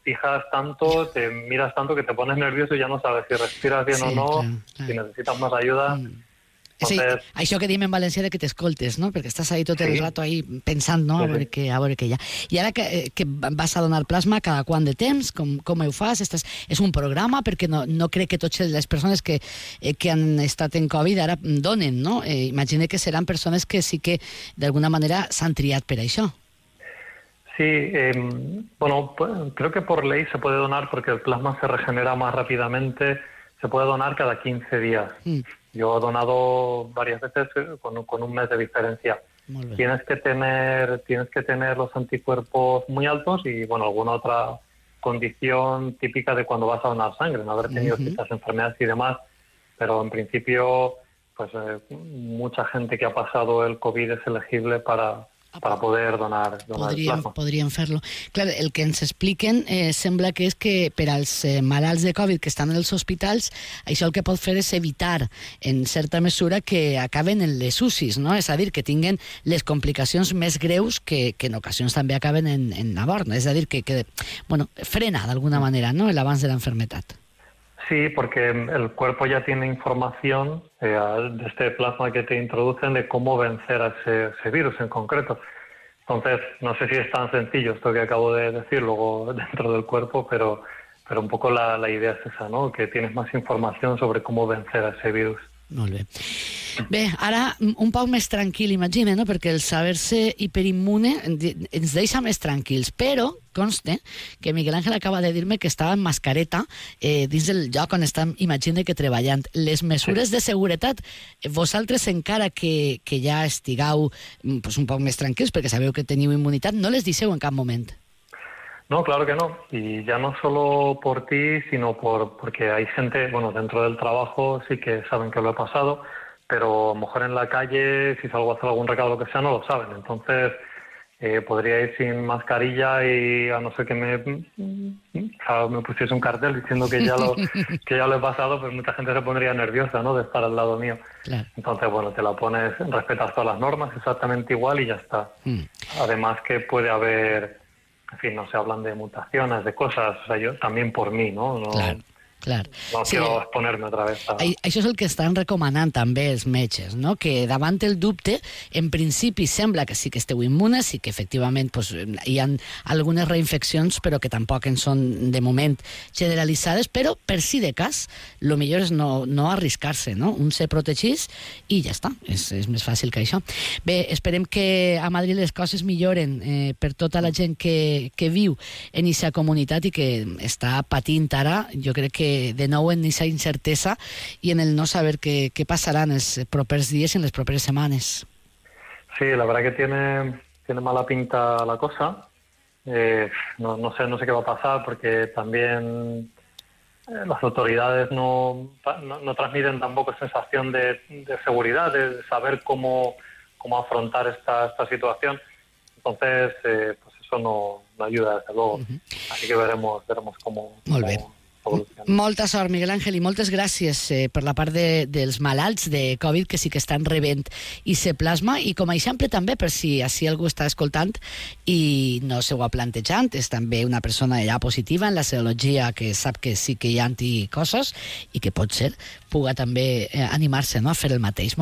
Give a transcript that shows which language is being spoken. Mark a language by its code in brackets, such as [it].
[es] fijas tanto, te miras tanto que te pones nervioso y ya no sabes si respiras bien o no. Si necesitas más ayuda. Hay eso que dime en Valencia de que te escoltes, ¿no? Porque estás ahí todo el rato ahí pensando, ¿no? A ver qué ya. [ca] Y ahora que vas a donar plasma, ¿cada quant de temps? ¿Com ho fas? ¿Es un programa? Perquè no crec que totes les persones que han estat en Covid ara donen, ¿no? Imagina que seran persones que sí que d'alguna manera s'han triat per això. [es] Sí, creo que por ley se puede donar porque el plasma se regenera más rápidamente. Se puede donar cada 15 días. Yo he donado varias veces con un mes de diferencia. Tienes que tener los anticuerpos muy altos y, bueno, alguna otra condición típica de cuando vas a donar sangre, no haber tenido ciertas enfermedades y demás. Pero, en principio, pues mucha gente que ha pasado el COVID es elegible para poder donar [ca] podrien fer-lo. Clar, el que ens expliquen sembla que és que per als malalts de Covid que estan als hospitals, això el que pot fer és evitar en certa mesura que acaben en les UCIs, no? És a dir, que tinguen les complicacions més greus que en ocasions també acaben en abort, no? És a dir, que bueno, frena d'alguna manera, no? L'avanç de la [es] enfermedad. Sí, porque el cuerpo ya tiene información de este plasma que te introducen de cómo vencer a ese virus en concreto. Entonces, no sé si es tan sencillo esto que acabo de decir luego dentro del cuerpo, pero un poco la idea es esa, ¿no? Que tienes más información sobre cómo vencer a ese virus. [ca] Molt bé. Bé, ara un poc més tranquil, imagina, no? Perquè el saber-se hiperimmune ens deixa més tranquils, però conste que Miguel Ángel acaba de dir-me que estava en mascareta dins del lloc on estem, imagina, que treballant. Les mesures de seguretat, vosaltres encara que ja estigueu pues, un poc més tranquils perquè sabeu que teniu immunitat, no les diceu en cap moment. [es] No, claro que no. Y ya no solo por ti, sino porque hay gente, bueno, dentro del trabajo sí que saben que lo he pasado, pero a lo mejor en la calle, si salgo a hacer algún recado o lo que sea, no lo saben. Entonces, podría ir sin mascarilla y a no ser que me pusiese un cartel diciendo que ya lo he pasado, pues mucha gente se pondría nerviosa, ¿no?, de estar al lado mío. Claro. Entonces, bueno, te la pones, respetas todas las normas exactamente igual y ya está. Además que puede haber... En fin, no se hablan de mutaciones, de cosas, o sea, yo también por mí, ¿no? Claro. No quiero exponerme otra vez. [ca] Això és el que estan recomanant també els metges, no? Que davant el dubte, en principi sembla que sí que esteu immunes i que efectivament pues, hi ha algunes reinfeccions, però que tampoc en són de moment generalitzades, però per si de cas, lo millor és no arriscar-se, no? Un se protegís i ja està, és més fàcil que això. Bé, esperem que a Madrid les coses milloren per tota la gent que viu en aquesta comunitat i que està patint ara, jo crec que de nou en aquesta incertesa i en el no saber què passarà en els propers dies i en les properes setmanes. [es] Sí, la verdad que tiene mala pinta la cosa. [ca] No sé què va passar perquè també les autoritats no transmiten tampoc sensació de seguretat, de saber com afrontar esta situació. [es] Entonces, pues eso no ayuda, desde luego. Así que veremos cómo... [ca] Molt bé. Molta sort, Miguel Ángel, i moltes gràcies per la part dels malalts de Covid que sí que estan rebent i se plasma, i com a exemple també per si així algú està escoltant i no se ho ha plantejat, és també una persona ja positiva en la serologia que sap que sí que hi ha anticossos i que potser puga també animar-se, no?, a fer el mateix.